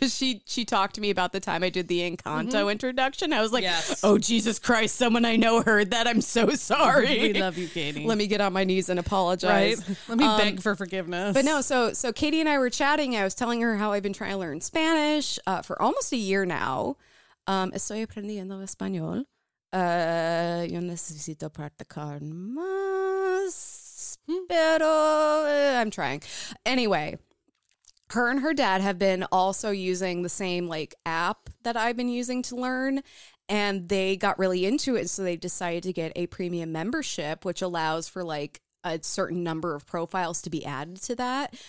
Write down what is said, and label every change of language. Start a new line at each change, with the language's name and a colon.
English: Because she talked to me about the time I did the Encanto introduction. I was like, Oh Jesus Christ, someone I know heard that. I'm so sorry. We love you, Katie. Let me get on my knees and apologize. Right? Let me beg for forgiveness. But no, so Katie and I were chatting. I was telling her how I've been trying to learn Spanish for almost a year now.
Spanish: Estoy aprendiendo español. Yo necesito practicar más, pero
English: I'm trying. Anyway, her and her dad have been also using the same like app that I've been using to learn, and they got really into it, so they decided to get a premium membership, which allows for like a certain number of profiles to be added to that.